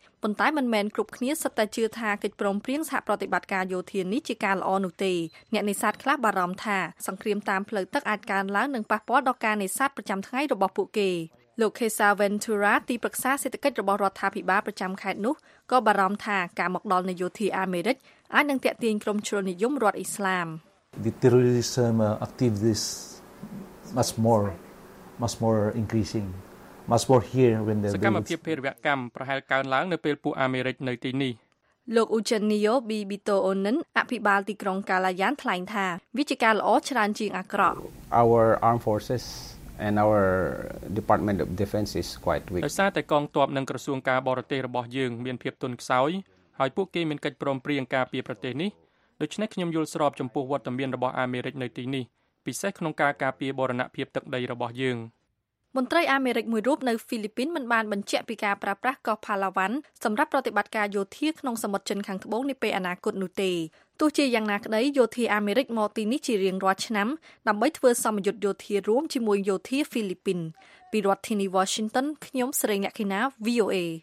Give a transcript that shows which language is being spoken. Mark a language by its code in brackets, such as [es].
[km] ប៉ុន្តែមិនមែនគ្រប់គ្នាសុទ្ធតែជឿថាកិច្ចព្រមព្រៀងសហប្រតិបត្តិការយោធានេះជាការល្អនោះទេអ្នកនេសាទខ្លះបារម្ភថាសង្គ្រាមតាមផ្លូវទឹកអាចកើនឡើងនិងប៉ះពាល់ដល់ការនេសាទប្រចាំថ្ងៃរបស់ពួកគេលោក Kesa Ventura ទីប្រឹក្សាសេដ្ឋកិច្ចរបស់រដ្ឋាភិបាលប្រចាំខេត្តនោះក៏បារម្ភថាការមកដល់នៃយោធាអាមេរិកអាចនឹងទាក់ទាញក្រុមជ្រុលនិយមរដ្ឋអ៊ីស្លាម [en] The terrorism activities much more increasing much more here when they [km] សកម្មភាពភេរវកម្មប្រហែលកើនឡើងនៅពេលពួកអាមេរិកនៅទីនេះ លោក Eugenio Bibito Onen អភិបាលទីក្រុង Kalayan ថ្លែងថាវាជាការល្អច្រើនជាងអាក្រក់ [en] Our armed forces and our department of defense is quite weak. [km] ដោយសារតែកងទ័ពនិងក្រសួងការបរទេសរបស់យើងមានភាពទន់ខ្សោយហើយពួកគេមានកិច្ចព្រមព្រៀងការពារប្រទេសនេះដូច្នេះខ្ញុំយល់ស្របចំពោះវត្តមានរបស់អាមេរិកនៅទីនេះពិសេសក្នុងការការពារបរណភាពទឹកដីរបស់យើង មន្ត្រីអាមេរិកមួយរូបនៅហ្វីលីពីនមិនបានបញ្ជាក់ពីការប្រើប្រាស់កោះផាឡាវ៉ាន់សម្រាប់ប្រតិបត្តិការយោធាក្នុងសមុទ្រចិនខាងត្បូងនាពេលអនាគតនោះទេទោះជាយ៉ាងណាក្តីយោធាអាមេរិកមកទីនេះជារៀងរាល់ឆ្នាំដើម្បីធ្វើសមយុទ្ធយោធារួមជាមួយយោធាហ្វីលីពីនពីរដ្ឋធានី Washington ខ្ញុំស្រីអ្នកខេណា VOA